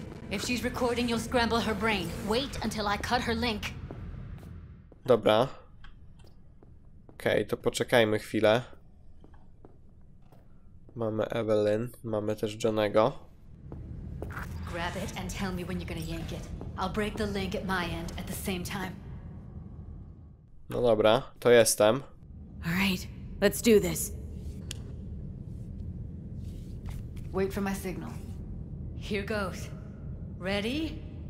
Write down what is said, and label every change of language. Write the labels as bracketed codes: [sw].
[en] If she's recording, you'll scramble her brain. Wait until I cut her link. [pl] Dobra. Okej, okay, to poczekajmy chwilę. Mamy Evelyn, mamy też Johnego. [en] Grab it and tell me when you're gonna yank it. I'll break the link at my end at the same time. [pl] No dobra, to jestem. [en] All right, let's do this. Wait for my signal. Here goes. Ready?